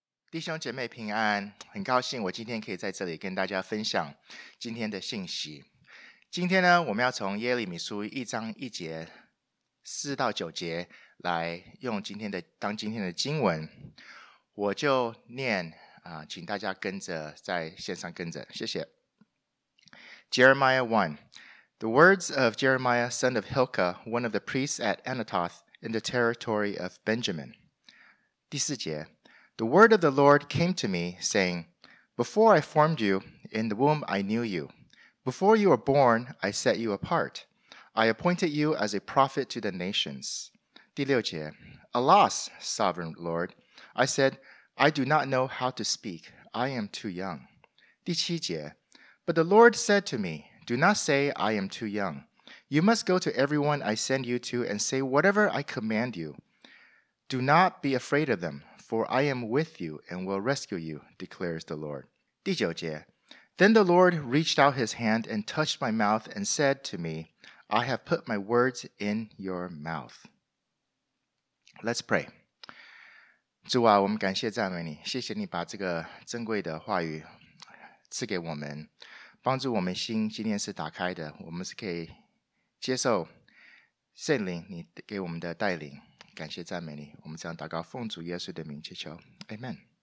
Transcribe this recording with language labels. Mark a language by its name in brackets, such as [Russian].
[Chinese] 弟兄姐妹平安，很高兴我今天可以在这里跟大家分享今天的信息。今天呢，我们要从耶利米书一章一节4到9节来用今天的当今天的经文，我就念啊，请大家跟着在线上跟着，谢谢。 [English] Jeremiah 1. The words of Jeremiah, son of Hilkiah, one of the priests at Anatoth in the territory of Benjamin. [Chinese] 第四节。 [English] The word of the Lord came to me, saying, Before I formed you, in the womb I knew you. Before you were born, I set you apart. I appointed you as a prophet to the nations. [Chinese] 第六节。 [English] Alas, sovereign Lord, I said, I do not know how to speak. I am too young. [Chinese] 第七节。 [English] But the Lord said to me, Do not say, I am too young. You must go to everyone I send you to and say whatever I command you. Do not be afraid of them, for I am with you and will rescue you, declares the Lord. [Chinese] 第九节 [English] Then the Lord reached out his hand and touched my mouth and said to me, I have put my words in your mouth. Let's pray. [Chinese] 主啊，我们感谢赞美你，谢谢你把这个珍贵的话语赐给我们，帮助我们心今天是打开的，我们是可以接受圣灵你给我们的带领，感谢赞美你，我们这样祷告奉主耶稣的名祈求， Amen。